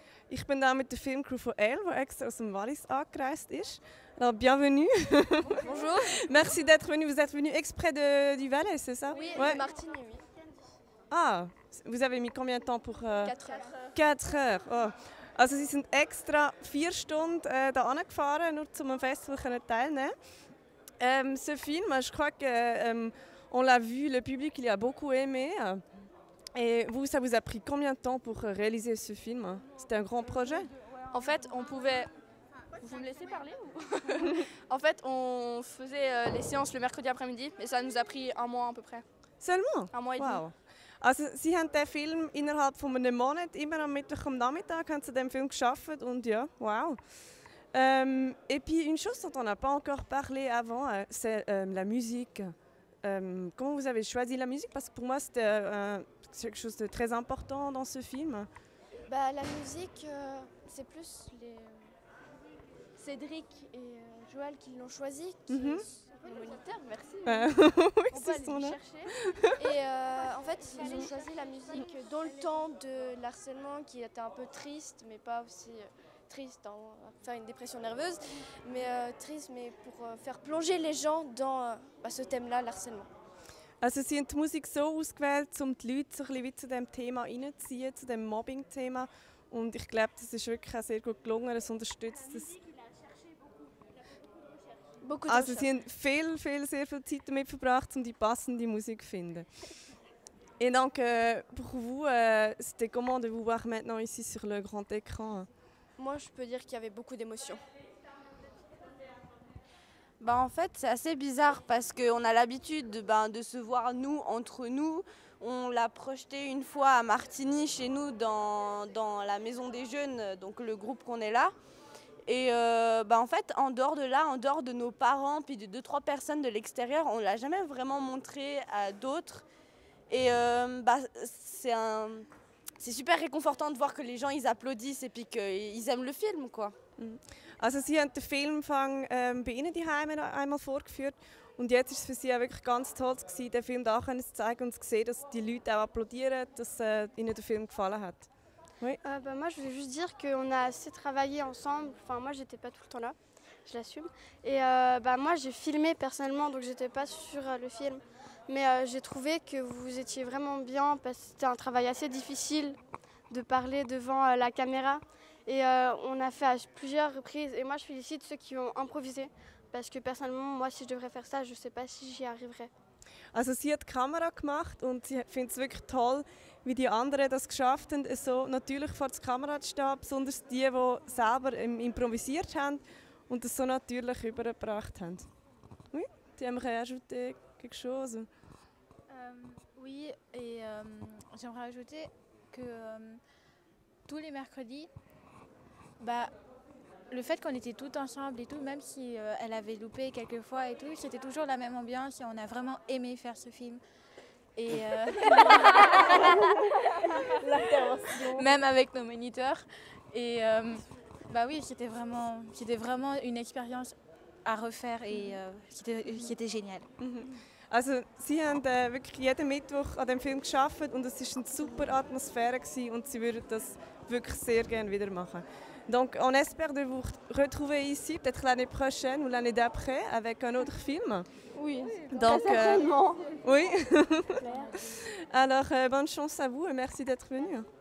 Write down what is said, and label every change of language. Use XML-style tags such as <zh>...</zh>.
<de>Ich bin da mit der Filmcrew von Elle, die extra aus dem Wallis angereist ist.</de> <fr>Alors, bienvenue. Bonjour. Merci d'être venu. Vous êtes venu exprès du Wallis, c'est ça? Oui, ouais. De Martigny, oui. Ah, vous avez mis combien de temps pour... 4 heures. 4 heures. Oh.</fr> <de>Also, Sie sind extra 4 Stunden hier angefahren, nur um am Festival zu teilnehmen.</de> <fr>Ce film, je crois que, on l'a vu, le public il a beaucoup aimé. Et vous, ça vous a pris combien de temps pour réaliser ce film? C'était un grand projet? En fait, on pouvait... Vous me laissez parler ou... En fait, on faisait les séances le mercredi après-midi, mais ça nous a pris un mois à peu près. Seulement? Un mois et demi. Wow.</fr> <de>Also, Sie haben den Film innerhalb von einem Monat, immer am Mittwoch am Nachmittag, haben Sie den Film geschafft und ja, wow.</de> <fr>Et puis, une chose dont on n'a pas encore parlé avant, c'est la musique. Comment vous avez choisi la musique? Parce que pour moi, c'était quelque chose de très important dans ce film. Bah, la musique, c'est plus les Cédric et Joël qui l'ont choisi. Mm-hmm. Le moniteur, merci. Oui, on peut aller les chercher. Et en fait, ils ont choisi la musique dans le temps de l'harcèlement qui était un peu triste, mais pas aussi triste, hein, enfin une dépression nerveuse, mais triste, mais pour faire plonger les gens dans ce thème-là, l'harcèlement.</fr> <de>Also, Sie haben die Musik so ausgewählt, um die Leute so ein bisschen zu dem Thema reinzuziehen, zu dem Mobbing-Thema. Und ich glaube, das ist wirklich auch sehr gut gelungen, das unterstützt es. Also, Sie haben viel, viel, sehr viel Zeit damit verbracht, um die passende Musik zu finden.</de> <fr>Et donc, pour vous, c'était comment de vous voir maintenant ici sur le grand écran? Moi, je peux dire qu'il y avait beaucoup d'émotions. Bah, en fait, c'est assez bizarre parce qu'on a l'habitude de se voir nous, entre nous. On l'a projeté une fois à Martigny, chez nous, dans la Maison des Jeunes, donc le groupe qu'on est là. Et en fait, en dehors de là, en dehors de nos parents, puis de 2-3 personnes de l'extérieur, on ne l'a jamais vraiment montré à d'autres. Et c'est super réconfortant de voir que les gens ils applaudissent et puis qu'ils aiment le film, quoi.</fr> <de>Also Sie haben den Film bei Ihnen daheim einmal vorgeführt und jetzt war es für Sie auch wirklich ganz toll, gewesen, den Film da können zu zeigen und zu sehen, dass die Leute auch applaudieren, dass Ihnen der Film gefallen hat.</de> <fr>Oui. Moi je voulais juste dire qu'on a assez travaillé ensemble, enfin moi j'étais pas tout le temps là, je l'assume, et moi j'ai filmé personnellement donc j'étais pas sur le film, mais j'ai trouvé que vous étiez vraiment bien parce que c'était un travail assez difficile de parler devant la caméra. Et on a fait à plusieurs reprises, et moi je félicite ceux qui ont improvisé, parce que personnellement, moi si je devrais faire ça, je ne sais pas si j'y arriverais.</fr> <de>Also sie hat die Kamera gemacht und sie findet es wirklich toll, wie die anderen das geschafft haben, so natürlich vor der Kamera zu stehen, besonders die, die selber improvisiert haben und das so natürlich übergebracht haben.</de> <fr>Oui, tu aimerais ajouter quelque chose? Oui, et j'aimerais ajouter que tous les mercredis, bah, le fait qu'on était toutes ensemble et tout, même si elle avait loupé quelques fois et tout, c'était toujours la même ambiance et on a vraiment aimé faire ce film. Et même avec nos moniteurs. Et c'était vraiment une expérience à refaire et c'était génial.</fr> <de>Also, Sie haben wirklich jeden Mittwoch an dem Film geschafft und es ist eine super Atmosphäre gewesen und Sie würden das wirklich sehr gerne wieder machen.</de> <fr>Donc, on espère de vous retrouver ici, peut-être l'année prochaine ou l'année d'après, avec un autre film. Oui, donc, très certainement. Oui. Alors, bonne chance à vous et merci d'être venu.</fr>